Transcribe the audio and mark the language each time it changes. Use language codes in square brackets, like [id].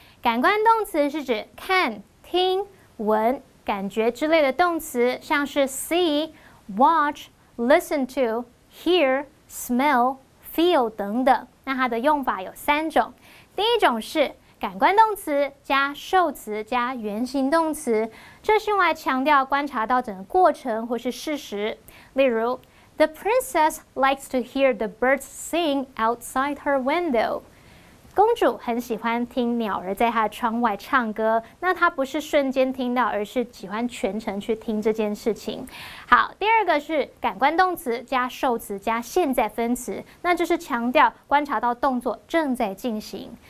[zh] 感官动词是指看、听、闻、感觉之类的动词，像是 see, watch, listen to, hear, smell, feel 等等。那它的用法有三种。第一种是感官动词加受词加原形动词，这是用来强调观察到整个过程或是事实。 [en] 例如 ,The princess likes to hear the birds sing outside her window. [zh] 公主很喜欢听鸟儿在她的窗外唱歌，那她不是瞬间听到，而是喜欢全程去听这件事情。好，第二个是感官动词加受词加现在分词，那就是强调观察到动作正在进行。